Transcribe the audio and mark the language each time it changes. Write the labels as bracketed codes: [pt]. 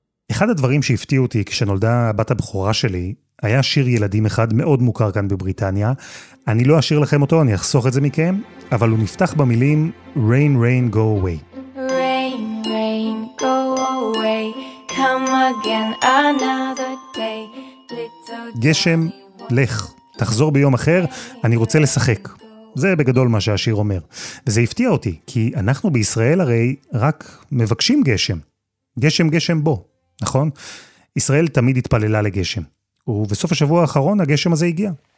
[he] אחד הדברים שהפתיע אותי כשנולדה הבת הבכורה שלי, היה שיר ילדים אחד מאוד מוכר כאן בבריטניה. אני לא אשיר לכם אותו, אני אחסוך את זה מכם, אבל הוא נפתח במילים [en] Rain, rain, go away. Rain, rain, go away, come again another day. [he] גשם, לך, תחזור ביום אחר, אני רוצה לשחק. זה בגדול מה שהשיר אומר. וזה הפתיע אותי, כי אנחנו בישראל הרי רק מבקשים גשם. גשם, גשם בו, נכון? ישראל תמיד התפללה לגשם. ובסוף השבוע האחרון הגשם הזה הגיע.